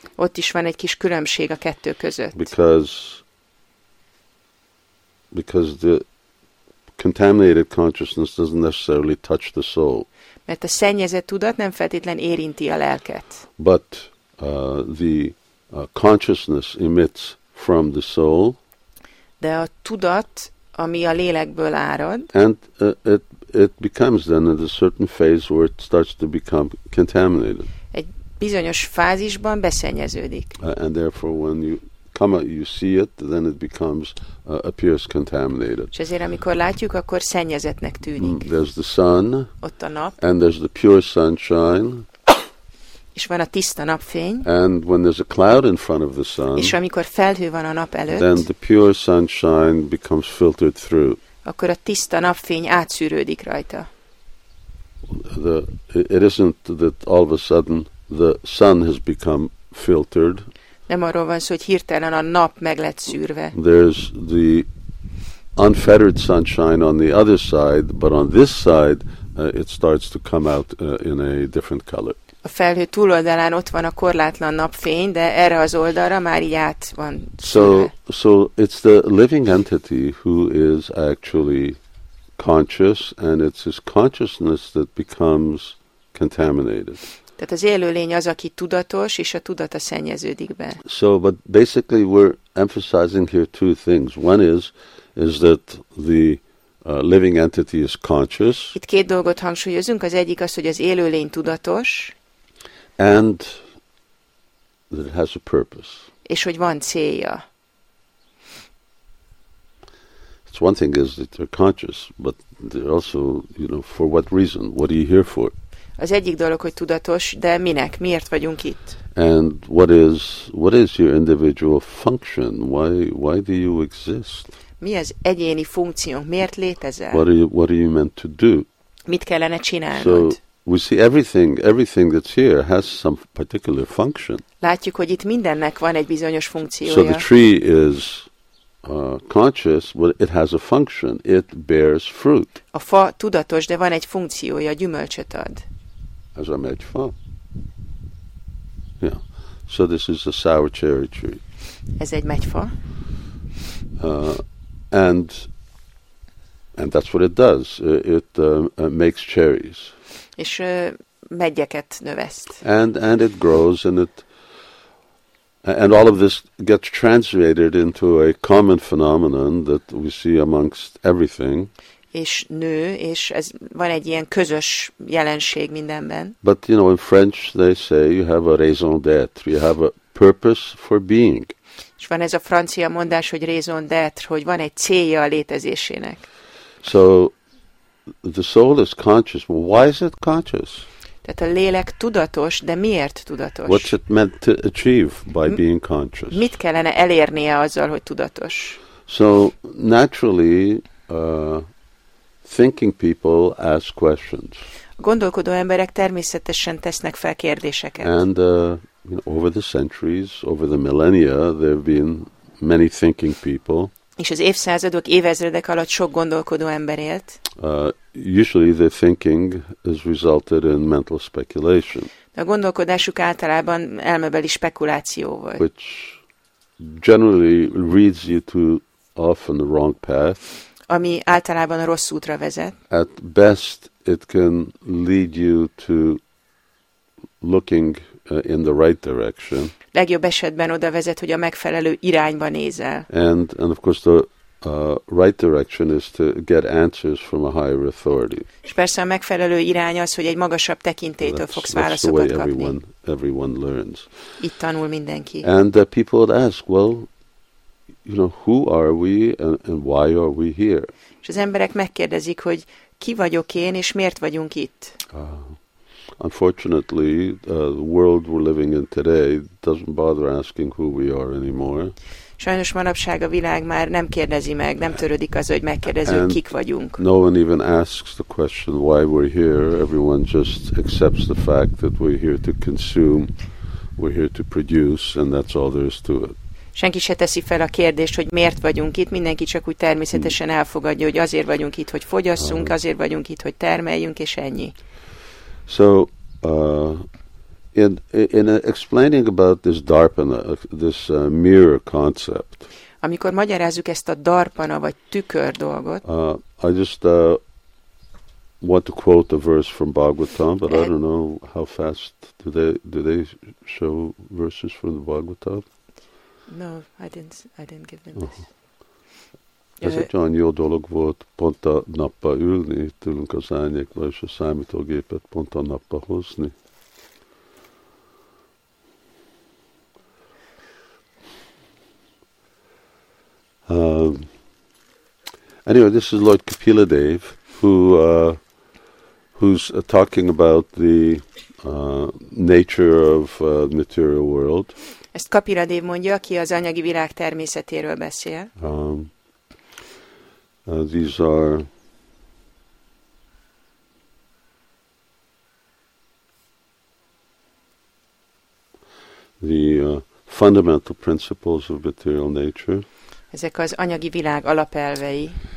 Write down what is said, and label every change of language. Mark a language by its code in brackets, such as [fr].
[hu] Ott is van egy kis különbség a kettő között. [en] Because the contaminated consciousness doesn't necessarily touch the soul. [hu] Mert a szennyezett tudat nem feltétlen érinti a lelket. [en] But the consciousness emits from the soul. [hu] De a tudat, ami a lélekből árad. [en] And it becomes then at a certain phase where it starts to become contaminated. [hu] Egy bizonyos fázisban beszennyeződik. [en] And therefore when you see it, then it becomes appears contaminated. [hu] És ezért, amikor látjuk, akkor szennyezetnek tűnik. [en] There's the sun. [hu] Ott a nap. [en] And there's the pure sunshine. [hu] És van a tiszta napfény. [en] And when there's a cloud in front of the sun. [hu] És amikor felhő van a nap előtt. [en] Then the pure sunshine becomes filtered through. [hu] Akkor a tiszta napfény átszűrődik rajta. [en] It isn't that all of a sudden the sun has become filtered. [hu] Nem arról van szó, hogy hirtelen a nap meg lett szűrve. [en] There's the unfettered sunshine on the other side, but on this side it starts to come out in a different color. [hu] A felhő túloldalán ott van a korlátlan napfény, de erre az oldalra már így át van szűrve. [en] So it's the living entity who is actually conscious, and it's his consciousness that becomes contaminated. [hu] Tehát az élőlény az, aki tudatos, és a tudata szennyeződik be. [en] So, but basically we're emphasizing here two things. One is that the living entity is conscious. [hu] Itt két dolgot hangsúlyozunk. Az egyik az, hogy az élőlény tudatos. [en] And that it has a purpose. [hu] És hogy van célja. [en] It's one thing is that they're conscious, but they're also, you know, for what reason? What are you here for? [hu] Az egyik dolog, hogy tudatos, de minek? Miért vagyunk itt? [en] And what is your individual function? Why do you exist? [hu] Mi az egyéni funkciónk? Miért létezel? [en] What are you meant to do? [hu] Mit kellene csinálnod? [en] So we see everything that's here has some particular function. [hu] Látjuk, hogy itt mindennek van egy bizonyos funkciója. [en] So the tree is conscious, but it has a function. It bears fruit. [hu] A fa tudatos, de van egy funkciója, gyümölcsöt ad. Ez a megyfa. [en] Yeah. So this is a sour cherry tree. [hu] Ez egy megyfa. [en] And that's what it does. It makes cherries. [hu] És medgyeket növeszt. [en] And it grows and it and all of this gets translated into a common phenomenon that we see amongst everything. [hu] És nő, és ez van egy ilyen közös jelenség mindenben. [en] But you know, in French they say you have a raison d'être, you have a purpose for being. [hu] És van ez a francia mondás, hogy raison d'être, hogy van egy célja a létezésének. [en] So the soul is conscious. Why is it conscious? [hu] Tehát a lélek tudatos, de miért tudatos? [en] What's it meant to achieve by being conscious? [hu] Mit kellene elérnie azzal, hogy tudatos? [en] So naturally, thinking people ask questions. [hu] A gondolkodó emberek természetesen tesznek fel kérdéseket. [en] And you know, over the centuries, over the millennia, there have been many thinking people. [hu] És az évszázadok, évezredek alatt sok gondolkodó ember élt. [en] Usually the thinking has resulted in mental speculation. [hu] De a gondolkodásuk általában elmebeli spekuláció volt. [en] Which generally leads you to often the wrong path. [hu] Ami általában a rossz útra vezet. [en] At best it can lead you to looking in the right direction. [hu] Legjobb esetben oda vezet, hogy a megfelelő irányba nézel. [en] And of course the right direction is to get answers from a higher authority. [hu] És persze a megfelelő irány az, hogy egy magasabb tekintélytől fogsz válaszokat kapni. [en] That's the way everyone learns. [hu] Itt tanul mindenki. [en] And people would ask, well, you know, who are we and why are we here? [hu] És az emberek megkérdezik, hogy ki vagyok én és miért vagyunk itt? [en] Unfortunately, the world we're living in today doesn't bother asking who we are anymore. [hu] Sajnos manapság a világ már nem kérdezi meg, nem törődik az, hogy megkérdezi, hogy kik vagyunk. [en] No one even asks the question why we're here. Everyone just accepts the fact that we're here to consume, we're here to produce, and that's all there is to it. [hu] Senki se teszi fel a kérdést, hogy miért vagyunk itt, mindenki csak úgy természetesen elfogadja, hogy azért vagyunk itt, hogy fogyasszunk, azért vagyunk itt, hogy termeljünk, és ennyi. [en] So, in explaining about this dharpana, this mirror concept. [hu] Amikor magyarázzuk ezt a dharpana vagy tükör dolgot. [en] I just want to quote a verse from Bhagavatam, but I don't know how fast do they show verses from the Bhagavatam. No, I didn't give them this. [hu] Ez egy olyan jó dolog volt, pont a nappa ülni, tőlünk az árnyékba, és a számítógépet pont a nappa hozni. [en] Anyway, this is Lord Kapila Dev, who's talking about the nature of the material world. [hu] Ezt Kapila Dev mondja, aki az anyagi világ természetéről beszél. [en] These are the fundamental principles of material nature. [hu] Ezek az anyagi világ alapelvei.